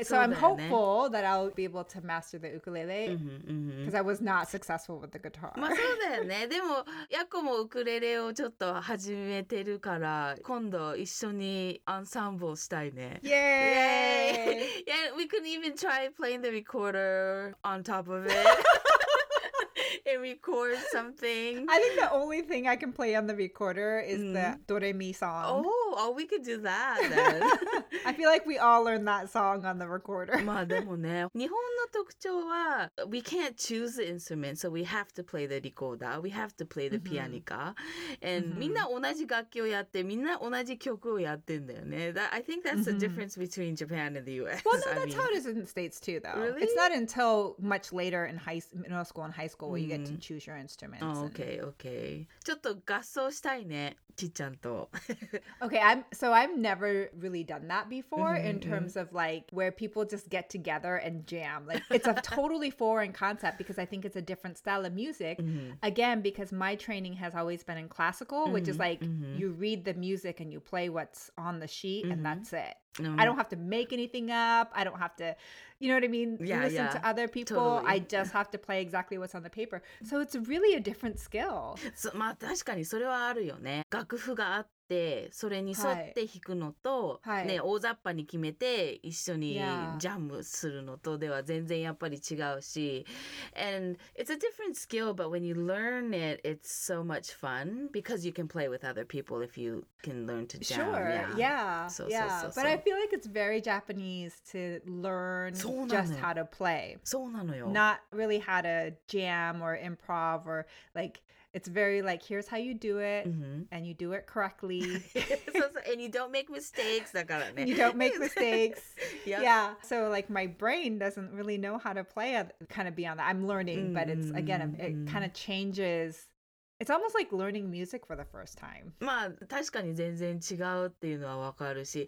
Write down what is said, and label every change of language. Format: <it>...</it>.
<en>so I'm hopeful that I'll be able to master the ukulele because I was not successful with the guitar.</en> <ja>まあそうだよね。でもヤコもウクレレをちょっと始めてるから、今度一緒にアンサンブルしたいね。</ja> <en>Yay! Yeah, we couldn't even try playing the recorder on top of it and record something. I think the only thing I can play on the recorder is the ドレミ song. Oh, we could do that then. I feel like we all learned that song on the recorder.</en> <ja>まあでもね、日本の特徴は</ja> <en>we can't choose the instrument, so we have to play the recorder, we have to play the pianica.</en> <ja>And みんな同じ楽器をやって、みんな同じ曲をやってんだよね。</ja> <en>I think that's the difference between Japan and the US. Well, no, that's how it is in the States too, though. Really? It's not until much later in middle school and high school where you get to choose your instruments. Oh, okay, okay.</en> <ja>ちょっと合奏したいね。ちっちゃんと</ja> <en>Okay, so I've never really done that before in terms of like where people just get together and jam. Like it's a totally foreign concept because I think it's a different style of music. Again, because my training has always been in classical, which is like you read the music and you play what's on the sheet and that's it. I don't have to make anything up. I don't have to, you know what I mean? Yeah, listen yeah. to other people. Totally. I just have to play exactly what's on the paper. So it's really a different skill.</en> <ja>So, まあ確かにそれはあるよね。楽譜があってそれに沿って弾くのと、ね、大雑把に決めて一緒にジャムするのとでは全然やっぱり違うし。</ja> <en>And it's a different skill, but when you learn it, it's so much fun because you can play with other people if you can learn to jam. Sure, yeah. But I feel like it's very Japanese to learn just how to play.</en> <ja>そうなのよ。</ja> <en>Not really how to jam or improv or like... It's very like, here's how you do it, and you do it correctly. and you don't make mistakes.</en> <ja>だからね。</ja> <en>You don't make mistakes. yep. Yeah. So like my brain doesn't really know how to play kind of beyond that. I'm learning, but it's, again, it kind of changes. It's almost like learning music for the first time.</en> <ja>まあ確かに全然違うっていうのはわかるし。</ja>